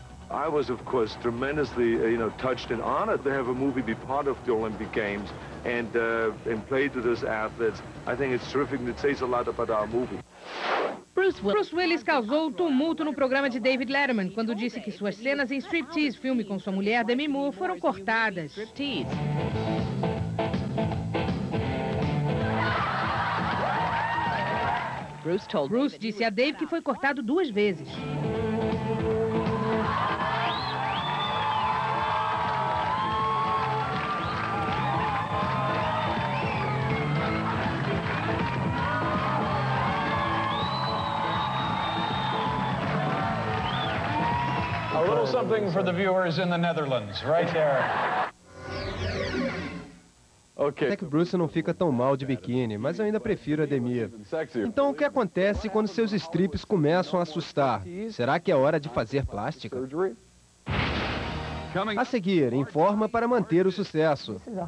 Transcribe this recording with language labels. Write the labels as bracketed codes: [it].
[en] I was, of course, tremendously, you know, touched and honored to have a movie be part of the Olympic Games and play to those athletes. I think it's terrific and it says a lot about our movie. [pt] Bruce Willis causou tumulto no programa de David Letterman quando disse que suas cenas em Striptease, filme com sua mulher Demi Moore, foram cortadas. [en] Great Bruce told [pt] Bruce disse a Dave que foi cortado duas vezes. [en] A little something for the viewers in the Netherlands, right there. [pt] Até que Bruce não fica tão mal de biquíni, mas eu ainda prefiro a Demir. Então, o que acontece quando seus strips começam a assustar? Será que é hora de fazer plástica? A seguir, em forma para manter o sucesso.